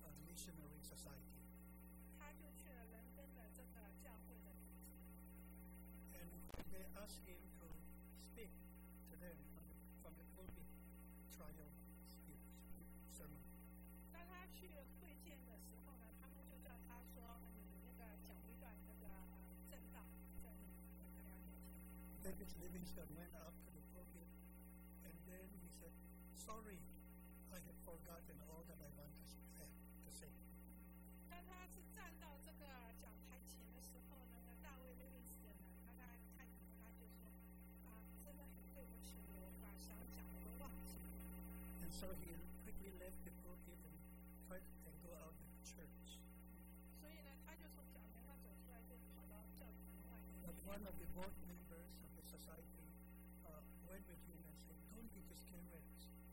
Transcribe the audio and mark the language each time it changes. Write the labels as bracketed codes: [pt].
[en] Missionary Society. And when they asked him to speak to them from the pulpit trial sermon, David Livingstone went up to the pulpit and then he said, Sorry, I have forgotten all that I want to say. [zh] 当他是站到这个讲台前的时候呢，那大卫威廉斯呢，他看着他就说：“啊，真的很对不起，我把想讲的都忘记了。” [en] And so he quickly left the pulpit and tried to go out of the church. [zh] 所以呢，他就从讲台上走出来，就跑到教堂外面。 [en] But one of the board members of the society went with him and said, "Don't be discouraged.